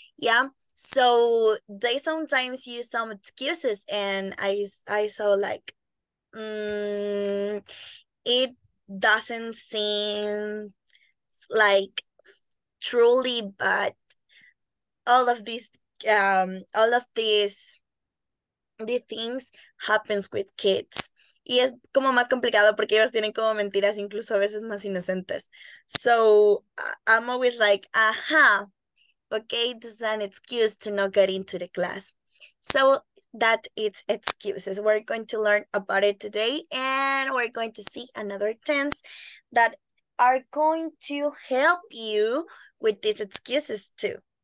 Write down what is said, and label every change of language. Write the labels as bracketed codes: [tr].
[en] Yeah, so they sometimes use some excuses, and I saw like it doesn't seem like truly, but all of these things happens with kids. [es] Y es como más complicado porque ellos tienen como mentiras, incluso a veces más inocentes. [en] So I'm always like, aha, okay, this is an excuse to not get into the class. So that it's excuses. We're going to learn about it today, and we're going to see another tense that are going to help you with these excuses too.